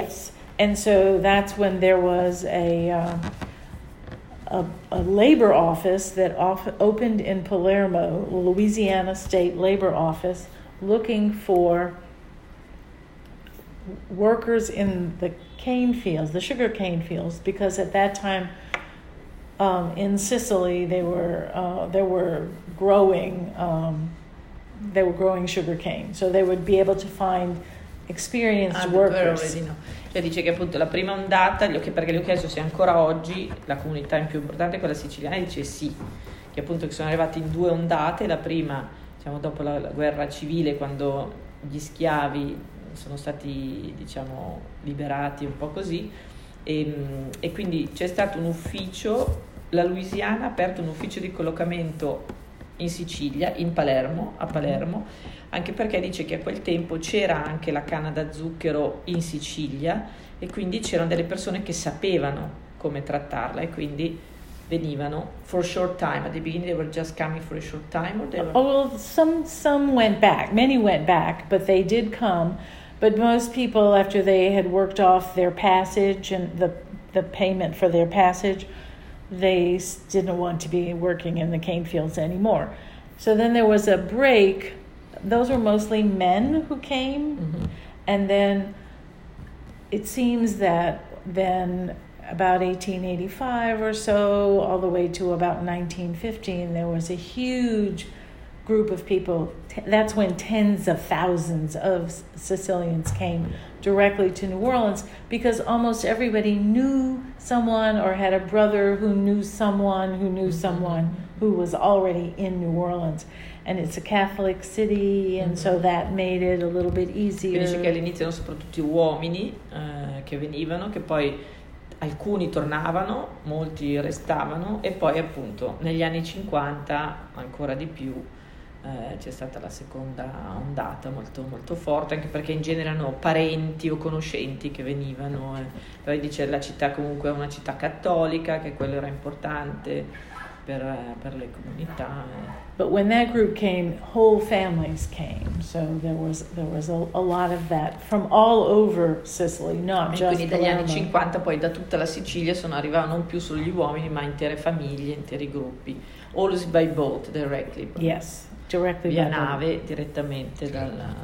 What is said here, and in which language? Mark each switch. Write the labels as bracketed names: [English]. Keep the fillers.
[English] Yes, and so that's when there was a um a, a labor office that off, opened in Palermo, Louisiana State Labor Office, looking for workers in the cane fields, the sugar cane fields, because at that time um, in Sicily they were uh, they were growing um, they were growing sugar cane, so they would be able to find experienced [Italian] Ah, però [English] workers. [Italian] vedi no. Cioè dice che appunto la prima ondata, gli ho- perché gli ho chiesto se ancora oggi la comunità più importante è quella siciliana, e dice sì, che appunto che sono arrivati in due ondate, la prima diciamo dopo la, la guerra civile quando gli schiavi sono stati diciamo liberati un po' così e, mm, e quindi c'è stato un ufficio, la Louisiana ha aperto un ufficio di collocamento in Sicilia, in Palermo, a Palermo, anche perché dice che a quel tempo c'era anche la canna da zucchero in Sicilia e quindi c'erano delle persone che sapevano come trattarla e quindi venivano [English] for short time. At the beginning they were just coming for a short time or they were... Oh, well, some some went back. Many went back, but they did come. But most people, after they had worked off their passage and the the payment for their passage, they s- didn't want to be working in the cane fields anymore. So then there was a break. Those were mostly men who came. Mhm. And then it seems that then about 1885 or so, all the way to about 1915, there was a huge group of people. T- That's when tens of thousands of S- Sicilians came directly to New Orleans because almost everybody knew someone or had a brother who knew someone who knew someone who was already in New Orleans. And it's a Catholic city, and so that made it a little bit easier. [Italian] Quindi dice che all'inizio erano soprattutto uomini eh, che venivano, che poi alcuni tornavano, molti restavano e poi appunto negli anni 50 ancora di più eh, c'è stata la seconda ondata molto, molto forte, anche perché in genere erano parenti o conoscenti che venivano. eh. Poi dice la città comunque è una città cattolica, che quello era importante per, eh, per le comunità. eh. [English] But when that group came, whole families came. So there was there was a, a lot of that from all over Sicily, not [Italian] E [English] just [Italian] quindi dagli anni [English] Palermo. [Italian] 50 poi da tutta la Sicilia sono arrivati non più solo gli uomini ma intere famiglie, interi gruppi, [English] always by boat directly, Yes, directly [Italian] via [English] by boat. [Italian] nave direttamente dalla...